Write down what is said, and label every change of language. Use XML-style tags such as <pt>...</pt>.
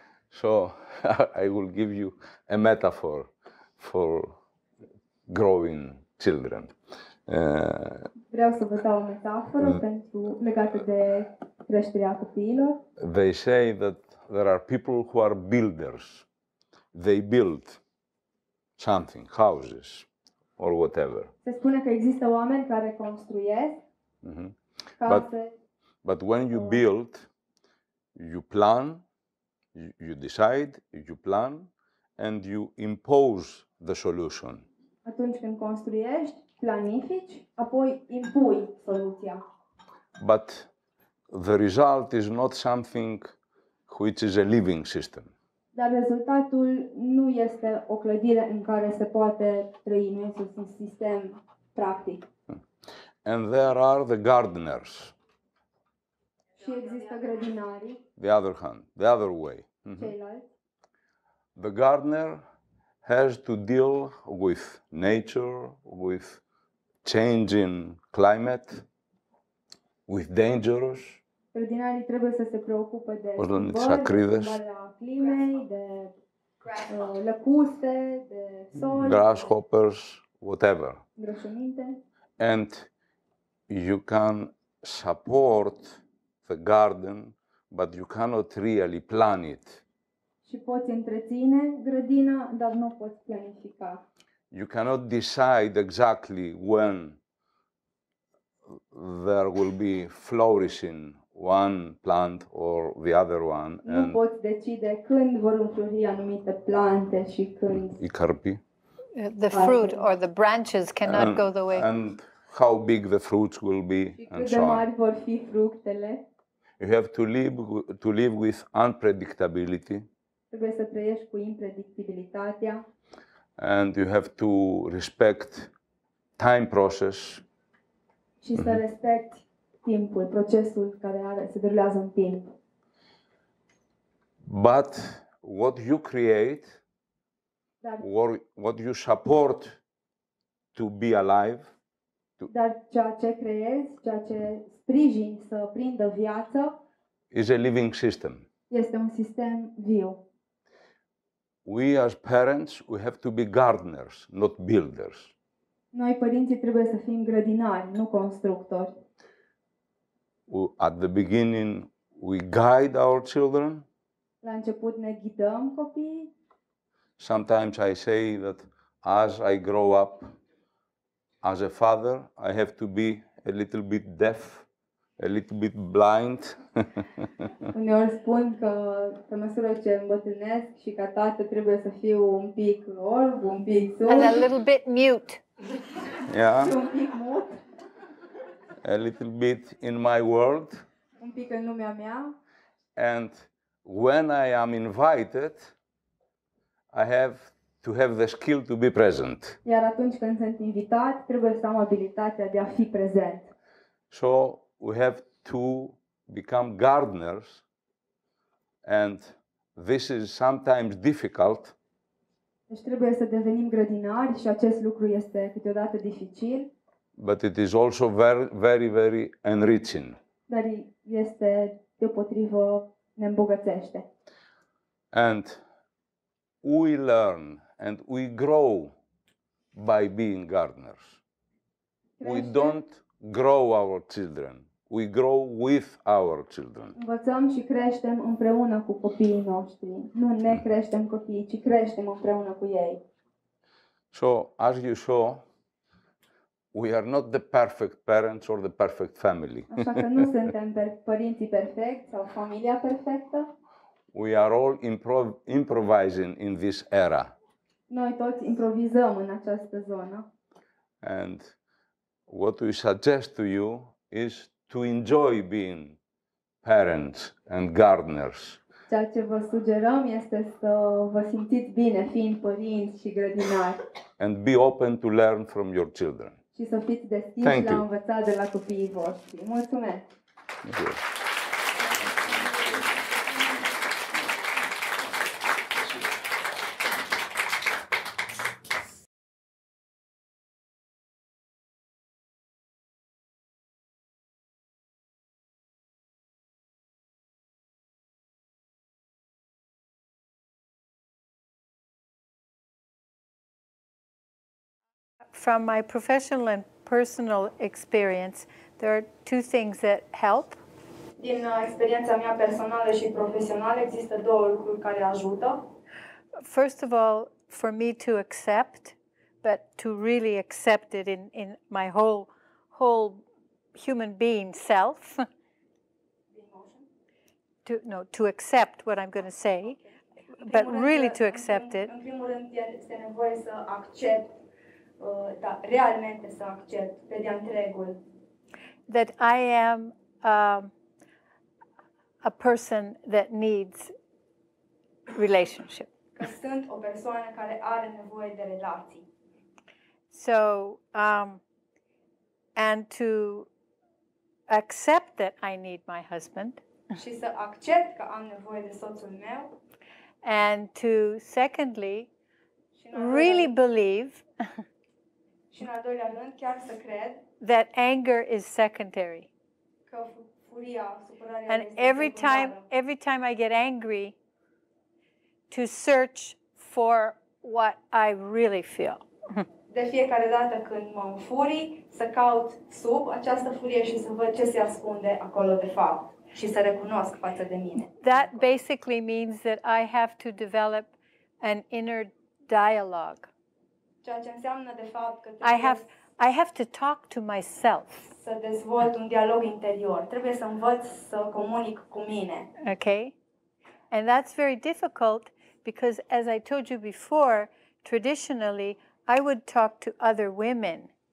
<en>So I will give you a metaphor for growing children.</en> <ro>Vreau să vă dau o metaforă pentru legată de creșterea copiilor.</ro> <en>They say that there are people who are builders. They build something, houses or whatever.</en> <ro>Se spune că există oameni care construiesc.</ro> <en>But when you build, you plan, you decide, you plan and you impose the solution.</en> <ro>Atunci când construiești, planifici, apoi impui soluția.</ro> <en>But the result is not something which is a living system.</en> <ro>Dar rezultatul nu este o clădire în care se poate trăi, nu este un sistem practic.</ro> <en>And there are the gardeners.</en> <ro>Și există grădinarii.</ro> <en>The other hand, the other way.</en> <ro>Ceilalți.</ro> <en>The gardener has to deal with nature, with changing climate, with dangers.</en> <ro>Grădinarii trebuie să se preocupe de schimbări, de schimbarea climei, de lăcuste, de sol,</ro> <en>grasshoppers, whatever.</en> <ro>Îngrășăminte.</ro> <en>And you can support the garden, but you cannot really plan it.</en> <ro>Și poți întreține grădina, dar nu poți planifica.</ro> <en>You cannot decide exactly when there will be flourishing one plant or the other one.</en> <ro>Nu poți decide când vor înflori anumite plante și când icarpi.</ro> <en>The fruit or the branches cannot go the way. And how big the fruits will be, and so on.</en> <ro>Vor fi fructele.</ro> <en>You have to live with unpredictability.</en> <ro>Trebuie să trăiești cu impredictibilitatea.</ro> <en>And you have to respect time process.</en> <ro>Și să respect timpul, procesul care se derulează în timp.</ro> <en>But what you create, or what you support to be alive,</en> <ro>dar ceea ce creezi, ceea ce sprijini să prindă viață,</ro> <en>is a living system.</en> <ro>Este un sistem viu.</ro> <en>We as parents, we have to be gardeners, not builders.</en> <ro>Noi părinții trebuie să fim grădinari, nu constructori.</ro> <en>At the beginning, we guide our children.</en> <ro>La început ne ghidăm copiii.</ro> <en>Sometimes I say that as I grow up as a father, I have to be a little bit deaf, a little bit blind.</en> <ro>Uneori spun că pe măsură ce îmbătrânesc și ca tată trebuie să fiu un pic orb, un pic surd.</ro> <en>And a little bit mute. Yeah.</en> <ro>Un pic mut.</ro> <en>A little bit in my world.</en> <ro>Un pic în lumea mea.</ro> <en>And when I am invited, I have to have the skill to be present.</en> <ro>Iar atunci când sunt invitat, trebuie să am abilitatea de a fi prezent.</ro> <en>So we have to become gardeners, and this is sometimes difficult.</en> <ro>Deci trebuie să devenim grădinari și acest lucru este câteodată dificil.</ro> <en>But it is also very, very, very enriching.</en> <ro>Dar este deopotrivă. Ne îmbogățește.</ro> <en>And we learn and we grow by being gardeners.</en> <ro>Crește.</ro> <en>We don't grow our children. We grow with our children.</en> <ro>Învățăm și creștem împreună cu copiii noștri. Nu ne creștem copiii, ci creștem împreună cu ei.</ro> <en>So, as you saw, we are not the perfect parents or the perfect family.</en> <ro>Așa că nu suntem părinții perfecți sau familia perfectă.</ro> <en>We are all improvising in this era.</en> <ro>Noi toți improvizăm în această zonă.</ro> <en>And what we suggest to you is to enjoy being parents and gardeners.</en> <ro>Ceea ce vă sugerăm este să vă simțiți bine fiind părinți și grădinari.</ro> <en>And be open to learn from your children.</en> <ro>Și să fiți deschiși la învățat de la copiii voștri. Mulțumesc!</ro> <en>Thank you. From my professional and personal experience, there are two things that help.</en> <ro>Din experiența mea personală și profesională există două lucruri care ajută.</ro> <en>First of all, for me to accept, but to really accept it in my whole human being self. To accept what I'm going to say, okay. But really to accept it.</en> <ro>În primul rând, este nevoie să accept. Da, realmente să accept pe de-a întregul.</ro> <en>That I am a person that needs relationship.</en> <ro>Că sunt o persoană care are nevoie de relații.</ro> <en>So, and to accept that I need my husband.</en> <ro>Și să accept că am nevoie de soțul meu.</ro> <en>And to, secondly, really believe</en> <ro>și în al doilea rând, chiar să cred</ro> <en>that anger is secondary.</en> <ro>Că furia, supărarea</ro> <en>and</en> <ro>este</ro> <en>every time I get angry, to search for what I really feel.</en> <ro>De fiecare dată când mă înfurii, să caut sub această furie și să văd ce se ascunde acolo de fapt și să recunosc față de mine.</ro> <en>That basically means that I have to develop an inner dialogue.</en> <ro>Ceea ce înseamnă de fapt că</ro> <en>I have to talk to myself.</en> <ro>Să dezvolt un dialog interior. Trebuie să învăț să comunic cu mine.</ro> <en>Okay. And that's very difficult because as I told you before, traditionally I would talk to other women.</en>